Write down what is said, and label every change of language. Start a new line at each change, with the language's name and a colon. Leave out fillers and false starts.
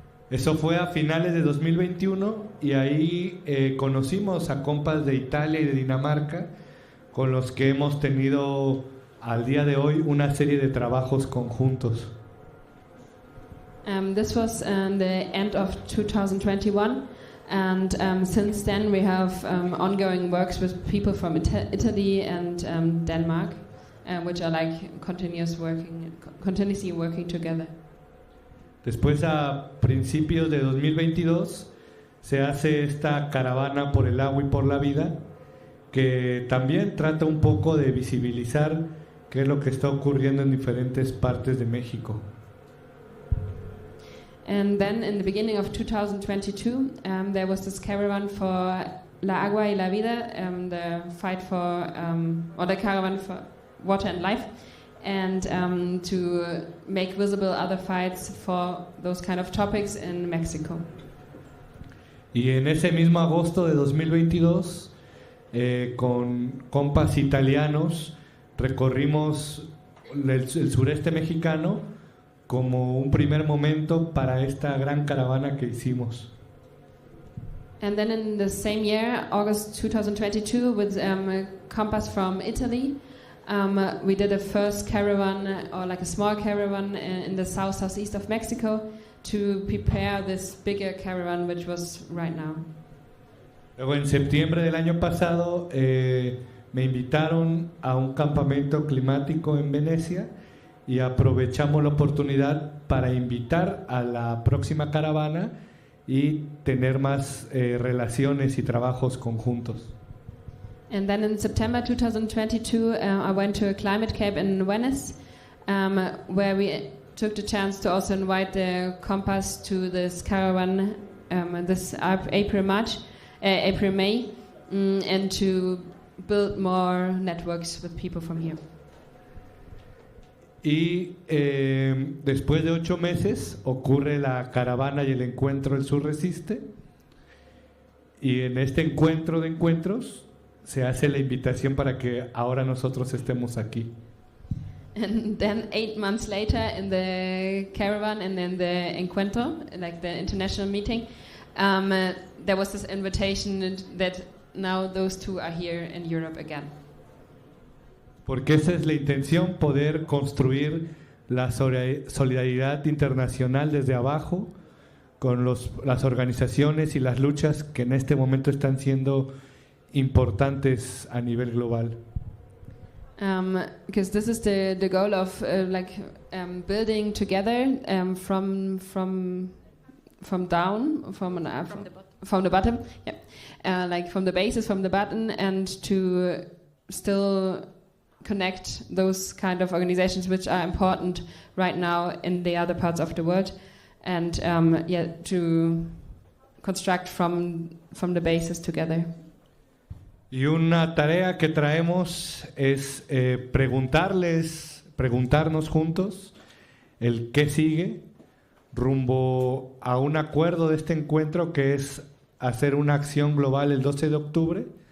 Spanish: Eso fue a finales de 2021 y ahí conocimos a compas de Italia y de Dinamarca con los que hemos tenido al día de hoy una serie de trabajos conjuntos.
English: This was in the end of 2021 and since then we have ongoing works with people from Italy and Denmark which are like continuously working together.
Spanish: Después, a principios de 2022, se hace esta caravana por el agua y por la vida, que también trata un poco de visibilizar qué es lo que está ocurriendo en diferentes partes de México.
English: And then, in the beginning of 2022, there was this caravan for
Spanish: la agua y la vida,
English: the fight for, or the caravan for water and life, and to make visible other fights for those kind of topics in Mexico.
Spanish: Y en ese mismo agosto de 2022, con compas italianos, recorrimos el sureste mexicano como un primer momento para esta gran caravana que hicimos.
English: And then in the same year, August 2022, with compass from Italy, we did a first caravan, or like a small caravan, in the south-southeast of Mexico to prepare this bigger caravan, which was right now.
Spanish: Luego en septiembre del año pasado, me invitaron a un campamento climático en Venecia y aprovechamos la oportunidad para invitar a la próxima caravana y tener más relaciones y trabajos conjuntos.
English: And then in September 2022, I went to a climate camp in Venice, where we took the chance to also invite the compass to this caravan this April May, and to build more networks with people from here.
Spanish: Y después de 8 meses ocurre la caravana y el encuentro El Sur Resiste, y en este encuentro de encuentros se hace la invitación para que ahora nosotros estemos aquí.
English: And then 8 months later in the caravan and then the encuentro, like the international meeting, there was this invitation that now those two are here in Europe again.
Spanish: Porque esa es la intención, poder construir la solidaridad internacional desde abajo con las organizaciones y las luchas que en este momento están siendo importantes a nivel global.
English: Because this is the goal of building together from the bottom and to still connect those kind of organizations which are important right now in the other parts of the world, and to construct from the bases together.
Spanish: Y una tarea que traemos es preguntarnos juntos el qué sigue rumbo a un acuerdo de este encuentro, que es hacer una acción global el 12 de octubre.